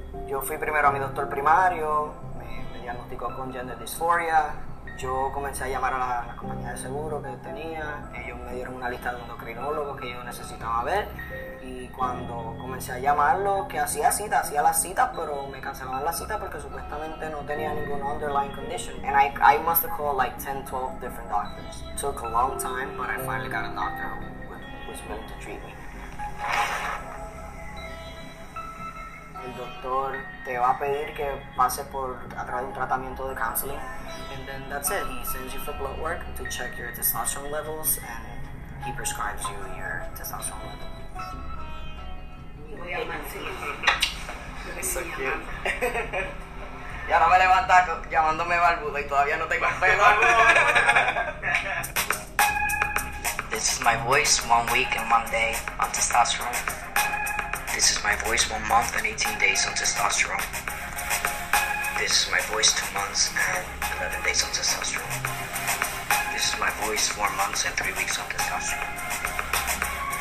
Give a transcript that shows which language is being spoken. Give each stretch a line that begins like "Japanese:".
Spanish: Yo fui primero a mi doctor primario, me diagnosticó con
English: gender dysphoria.
Spanish: Yo comencé a llamar a la compañía de seguro que tenía. Ellos me dieron una lista de endocrinólogos que yo necesitaba ver. Y cuando comencé a llamarlo, que hacía las citas, pero me cancelaban las citas porque supuestamente no tenía ninguna
English: underlying condition. And I must have called like 10, 12 different doctors. It took a long time, but I finally got a doctor who was willing to treat me.
Spanish: El doctor te va a pedir que pases a través de un tratamiento de counseling.
English: And then that's it. He sends you for blood work to check your testosterone levels, and he prescribes you your testosterone level. So cute.
Spanish: Y ahora me levanta llamándome barbuda y todavía no tengo pelo.
English: This is my voice 1 week and 1 day on testosterone. This is my voice 1 month and 18 days on testosterone. This is my voice 2 months and 11 days on testosterone. This is my voice 4 months and 3 weeks on testosterone.